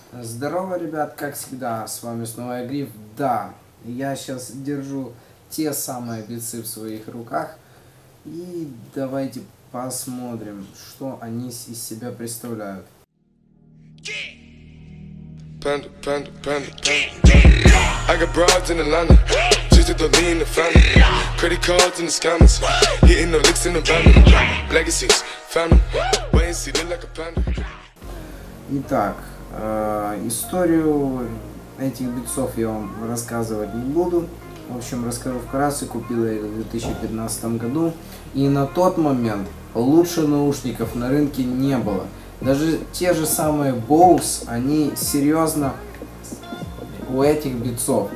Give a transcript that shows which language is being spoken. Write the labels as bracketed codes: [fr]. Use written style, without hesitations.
[ru] Здорово, ребят, как всегда, с вами снова я, Гриф. Да, я сейчас держу те самые бицы в своих руках. И давайте посмотрим, что они из себя представляют. [en] I got broads in Atlanta, just to be in the family. Credit cards and the scammers, hitting the licks in the family. Legacies, family, waiting to see them like a panda. [ru] Итак, историю этих битцов я вам рассказывать не буду. В общем, расскажу вкратце. Купил я их в 2015 году. И на тот момент лучше наушников на рынке не было. Даже те же самые Bose, они серьезно у этих битцов.